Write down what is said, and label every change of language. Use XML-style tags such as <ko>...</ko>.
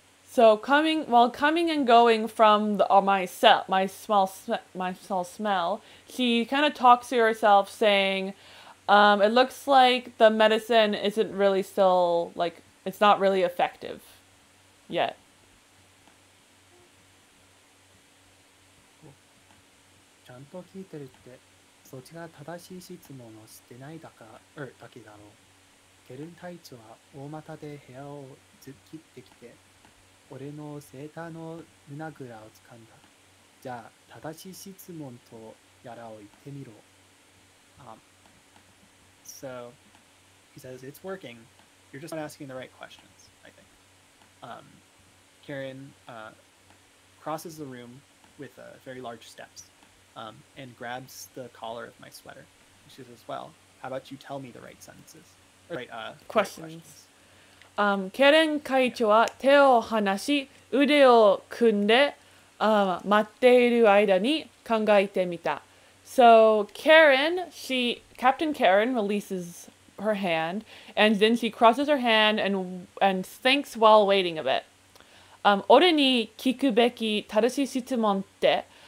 <en>So coming and going from my small smell, she kind of talks to herself saying, it looks like the medicine isn't really still, like, it's not really effective yet.</en> <ja>ちゃんと聞いてるって、そっちが正しい質問をしてないだけだろう。ケルン隊長は大股で部屋を突っ切ってきて、俺のセーターの胸ぐらを掴んだ。じゃあ、正しい質問とやらを言ってみろ。</ja> <en>So, he says, it's working. You're just not asking the right questions, I think. Karen, crosses the room with a very large steps. And grabs the collar of my sweater. She says, well, how about you tell me the right sentences? Questions.</en> <ja>ケレン会長は手を離し、腕を組んで、待っている間に考えてみた。</ja> <en>So Karen, Captain Karen releases her hand, and then she crosses her hand and thinks while waiting a bit.</en> <ja>俺に聞くべき正しい質問って、</ja>